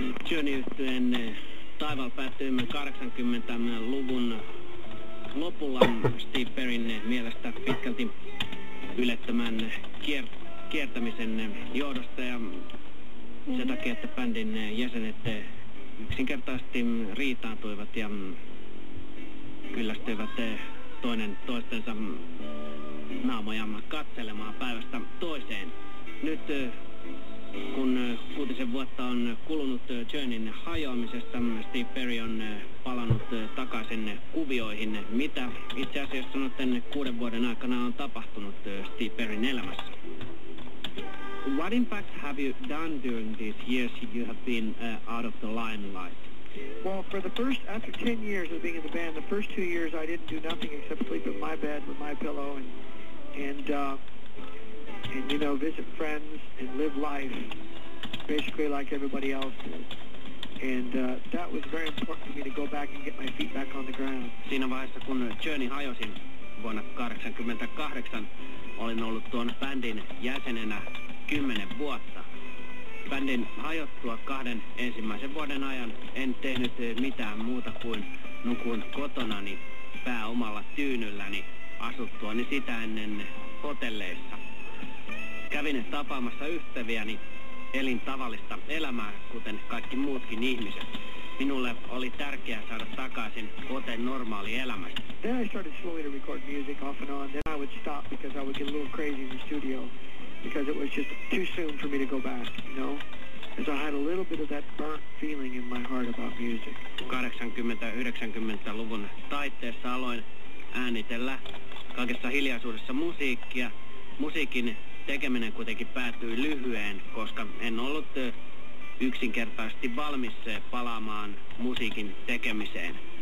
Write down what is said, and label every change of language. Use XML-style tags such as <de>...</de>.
<fi>Journey-yhtyeen taival päättyimme 80-luvun lopulla Steve Perryn mielestä pitkälti ylettömän kiertämisen johdosta ja sen takia, että bändin jäsenet yksinkertaisesti riitaantuivat ja kyllästyivät toinen toistensa naamoja katselemaan päivästä toiseen. Nyt kun 6 vuotta on kulunut Journeyn hajoamisesta, Steve Perry on palannut takaisin kuvioihin. Mitä itse asiassa noiden 6 vuoden aikana on tapahtunut Steve Perryn elämässä?</fi> <en>What in fact have you done during these years you have been out of the limelight? Well, for the first, after 10 years of being in the band, the first 2 years I didn't do nothing except sleep in my bed with my pillow and you know, visit friends and live life basically like everybody else did. And that was very important for me to go back and get my feet back on the ground.</en> <fi>Siinä vaiheessa, kun Journey hajosi vuonna 1988, olin ollut tuon bändin jäsenenä 10 vuotta. Bändin hajottua 2 ensimmäisen vuoden ajan en tehnyt mitään muuta kuin nukuin kotonani pääomalla tyynylläni asuttuani sitä ennen hotelleissa. Kävin tapaamassa ystäviäni, elin tavallista elämää, kuten kaikki muutkin ihmiset. Minulle oli tärkeää saada takaisin kuten normaali elämä.</fi> <en>Then I started slowly to record music off and on. Then I would stop because I would get a little crazy in the studio. Because it was just too soon for me to go back, you know? And so I had a little bit of that burnt feeling in my heart about music.</en> <fi>80-90-luvun taitteessa aloin äänitellä kaikessa hiljaisuudessa musiikkia. Musiikin tekeminen kuitenkin päättyi lyhyeen, koska en ollut yksinkertaisesti valmis palaamaan musiikin tekemiseen.</fi>